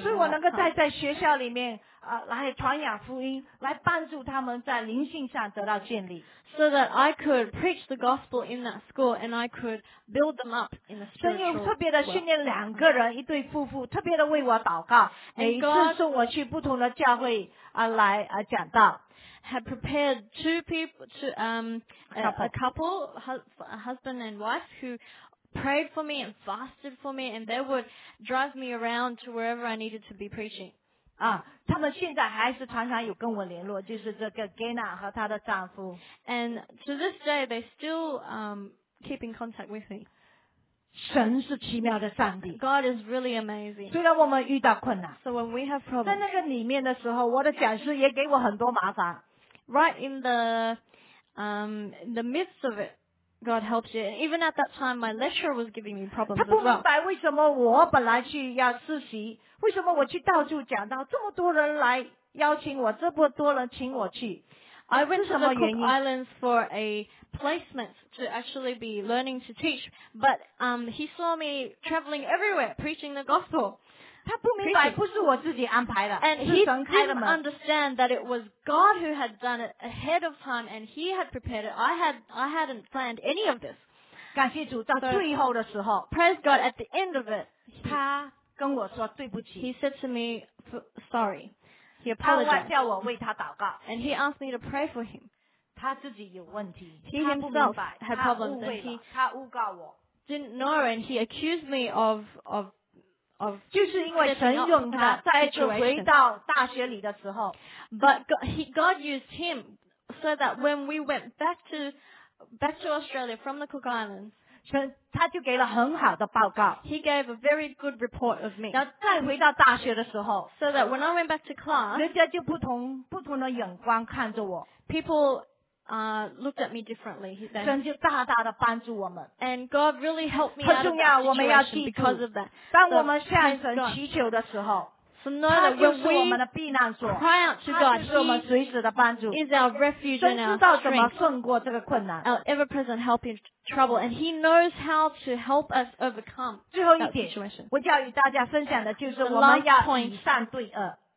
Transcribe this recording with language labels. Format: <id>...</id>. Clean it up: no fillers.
<zh>所以我能够在学校里面来传扬福音，来帮助他们在灵性上得到建立。</zh> <en>So that I could preach the gospel in that school and I could build them up in the spiritual world.</en> <zh>神又特别的训练两个人，一对夫妇，特别的为我祷告，每一次送我去不同的教会来讲道。</zh> <en>Had prepared a couple, a husband and wife, who prayed for me and fasted for me, and they would drive me around to wherever I needed to be preaching.</en> <zh>啊，他们现在还是常常有跟我联络，就是这个 Gina 和她的丈夫。</zh> <en>And to this day, they still keep in contact with me.</en> <zh>神是奇妙的上帝。</zh> <en>God is really amazing.</en> <zh>虽然我们遇到困难</zh> <en>，So when we have problems,</en> <zh>在那个里面的时候，我的讲师也给我很多麻烦。</zh> <en>Right in the in the midst of it, God helps you. Even at that time, my lecturer was giving me problems as well.</en> <zh>他不明白为什么我本来去要实习，为什么我去到处讲到，这么多人来邀请我，这么多人请我去。</zh> <en>I went to the Cook Islands for a placement to actually be learning to teach, but he saw me traveling everywhere preaching the gospel.</en> <zh>他不明白不是我自己安排的，</zh> <en>And he didn't understand that it was God who had done it ahead of time and he had prepared it. I hadn't planned any of this.</en> <zh>感谢主，到最后的时候</zh> <en>praise God, at the end of it,</en> <zh>他跟我说对不起。</zh> <en>He said to me, sorry. He apologized.</en> <zh>叫我为他祷告。</zh> <en>And he asked me to pray for him.</en> <zh>他自己有问题。</zh> <en>He himself had problems. And he</en> <zh>他诬告我。</zh> <en>Didn't know and he accused me of</en> <zh>就是因为神用他再次回到大学里的时候。</zh> <en>But God used him so that when we went back to Australia from the Cook Islands,</en> <zh>他就给了很好的报告。</zh> <en>He gave a very good report of me.</en> <zh>然后再回到大学的时候</zh> <en>，So that when I went back to class,</en> <zh>人家就不同的眼光看着我。</zh> <en>People looked at me differently.</en> <zh>神就大大的帮助我们。</zh> <en>And God really helped me.</en> <zh>很重要，我们要记住。当我们向神祈求的时候。</zh> <en>So know that when we cry out to God, He is our refuge and our strength, our ever-present help in trouble, and He knows how to help us overcome that situation.</en> <zh>我要与大家分享的就是我们要以善对恶。</zh>